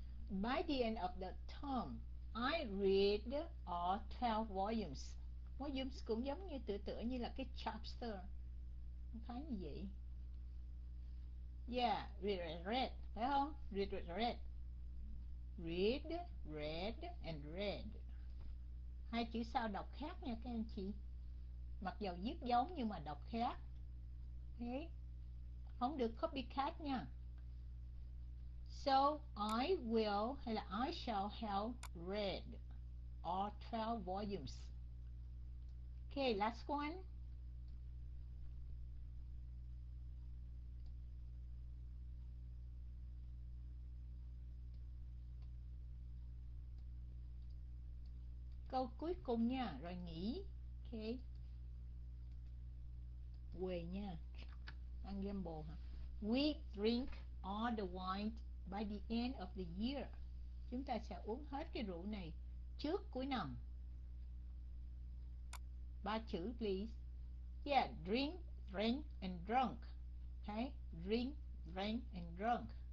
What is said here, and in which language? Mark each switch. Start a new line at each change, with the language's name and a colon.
English: By the end of the term, I read all 12 volumes.
Vietnamese: Volumes cũng giống như tựa tựa như là cái chapter. Khá như vậy.
English: Yeah, read, read, read.
Vietnamese: Phải không?
English: Read, read, read. Read, read and read.
Vietnamese: Hai chữ sau đọc khác nha các anh chị. Mặc dầu viết giống nhưng mà đọc khác.
English: Okay.
Vietnamese: Không được copycat nha.
English: So I will
Vietnamese: hay là
English: I shall have read all 12 volumes. Okay, last one.
Vietnamese: Câu cuối cùng nha, rồi nghỉ.
English: Okay.
Vietnamese: Quê nha. Ăn gamble hả?
English: We drink all the wine by the end of the year.
Vietnamese: Chúng ta sẽ uống hết cái rượu này trước cuối năm. Ba chữ
English: please. Yeah, drink, drink and drunk. Okay, drink, drink and drunk.